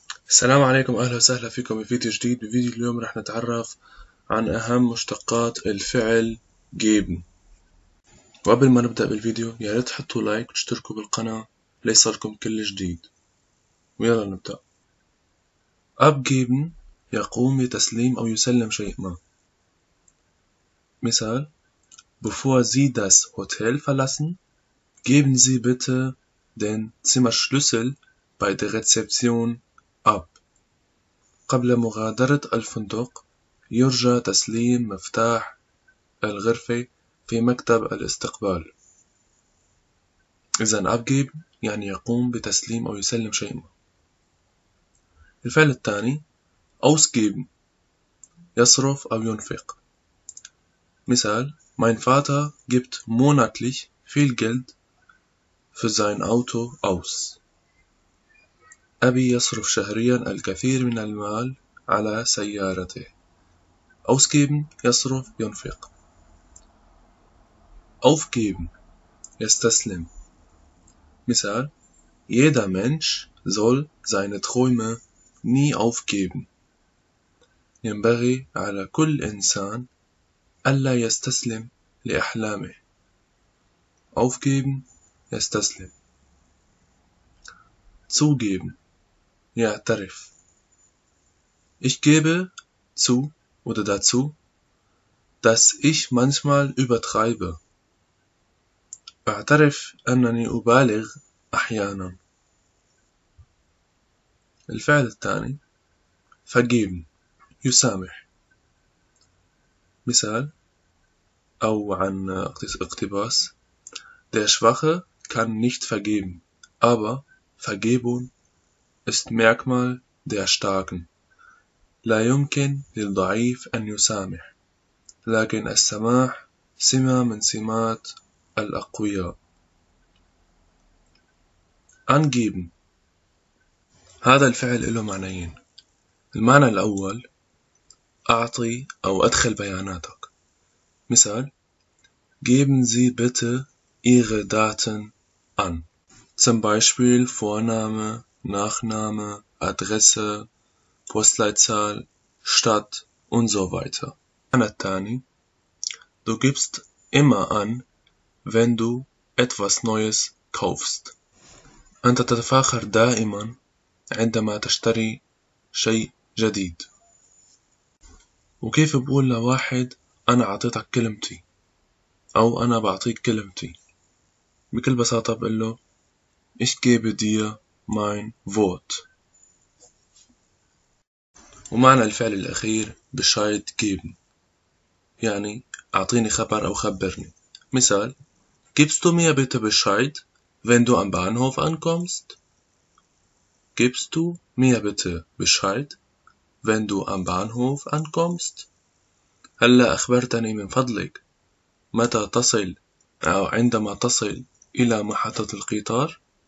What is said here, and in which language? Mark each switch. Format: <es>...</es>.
<ar>السلام عليكم، أهلا وسهلا فيكم بفيديو جديد. بفيديو اليوم رح نتعرف عن أهم مشتقات الفعل جيبن. وقبل ما نبدأ بالفيديو يا ريت تحطوا لايك وتشتركوا بالقناة ليصلكم كل جديد، ويلا نبدأ. أب جيبن يقوم بتسليم أو يسلم شيء ما.</ar> <de>مثال: Bevor Sie das Hotel verlassen, geben Sie bitte den Zimmerschlüssel bei der Rezeption أب.</de> <ar>قبل مغادرة الفندق يرجى تسليم مفتاح الغرفة في مكتب الاستقبال. إذن أبجيب يعني يقوم بتسليم أو يسلم شيء ما. الفعل الثاني أوسجيب، يصرف أو ينفق.</ar> <de>مثال: Mein Vater gibt monatlich viel Geld für sein Auto aus.</de> <ar>أبي يصرف شهريا الكثير من المال على سيارته. Ausgeben يصرف ينفق. Aufgeben يستسلم.</ar> <de>مثال: Jeder Mensch soll seine Träume nie aufgeben.</de> <ar>ينبغي على كل إنسان ألا يستسلم لأحلامه. Aufgeben يستسلم. Zugeben يعترف.</ar> <de>Ich gebe zu oder dazu, dass ich manchmal übertreibe.</de> <ar>أعترف أنني أبالغ أحيانا. الفعل الثاني vergeben يسامح. مثال أو عن اقتباس:</ar> <de>Der Schwache kann nicht vergeben, aber Vergebung ist Merkmal der Starken.</de> <ar>لا يمكن للضعيف أن يسامح، لكن السماح سمة من سمات الأقوياء. Angeben، هذا الفعل له معنيين. المعنى الأول أعطي أو أدخل بياناتك.</ar> <de>مثال: Geben Sie bitte Ihre Daten an. Zum Beispiel Vorname, Nachname, Adresse, Postleitzahl, Stadt und so weiter. Anatani, du gibst immer an, wenn du etwas Neues kaufst.</de> <ar>أنت تتفاخر دائما عندما تشتري شيء جديد. وكيف بقول لواحد أنا أعطيتك كلمتي؟ أو أنا بعطيك كلمتي؟ بكل بساطة بقول له</ar> <de>Ich gebe dir mein Wort.</de> <ar>ومعنى الفعل الأخير Bescheid geben، يعني أعطيني خبر أو خبرني.</ar> <de>مثال: Gibst du mir bitte Bescheid, wenn du am Bahnhof ankommst? Gibst du mir bitte Bescheid, wenn du am Bahnhof ankommst?</de> <ar>هلا أخبرتني من فضلك متى تصل أو عندما تصل إلى محطة القطار؟</ar>